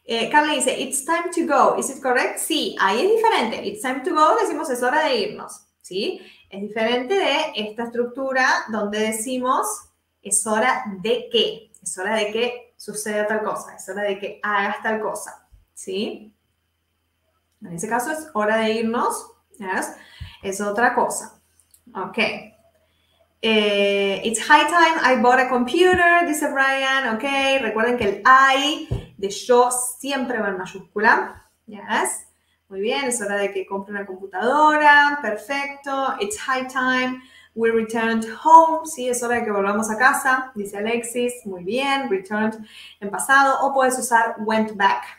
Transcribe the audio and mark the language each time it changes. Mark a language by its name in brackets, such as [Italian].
[English] Carla dice, it's time to go, is it correct? [Spanish] Sí, ahí es diferente. [English] It's time to go, [Spanish] decimos, es hora de irnos, ¿sí? Es diferente de esta estructura donde decimos, es hora de que, es hora de que suceda tal cosa, es hora de que hagas tal cosa, ¿sí? En ese caso, es hora de irnos, ¿sí? Es otra cosa. Ok. [English] It's high time I bought a computer, [Spanish] dice Brian, [English] ok. [Spanish] Recuerden que el I de yo siempre va en mayúscula. [English] Yes. [Spanish] Muy bien, es hora de que compre una computadora. Perfecto. [English] It's high time we returned home. [Spanish] Sí, es hora de que volvamos a casa, dice Alexis. Muy bien, returned en pasado. O puedes usar [English] went back.